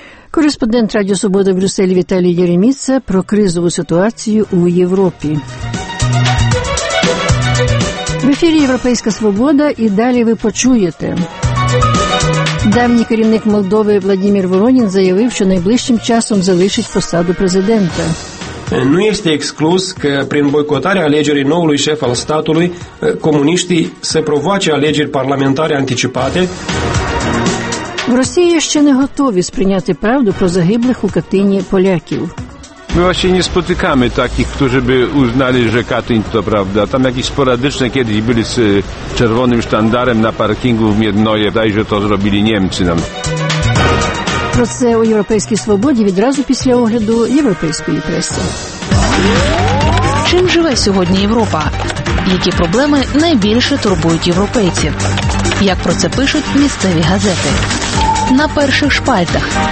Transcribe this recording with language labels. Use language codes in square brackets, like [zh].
[uk] Кореспондент Радіо Свобода в Брюсселі Віталій Єреміця про кризову ситуацію у Європі. В ефірі «Європейська свобода» і далі ви почуєте. Давній керівник Молдови Владимир Воронін заявив, що найближчим часом залишить посаду президента. [ro] Nu este exclus că prin boicotarea alegerii noului șef al statului, comuniștii să provoace alegeri parlamentare anticipate. [uk] В Росії ще не готові сприйняти правду про загиблих у Катині поляків. [pl] My właśnie nie spotykamy takich, którzy by uznali, że Katyń to prawda. Tam jakieś sporadyczne kiedyś byli z czerwonym sztandarem na parkingu w Miednoje. Daj, że to zrobili Niemcy nam. [uk] Про це у європейській свободі відразу після огляду європейської преси. Чим живе сьогодні Європа? Які проблеми найбільше турбують європейців? Як про це пишуть місцеві газети? На перших шпальтах.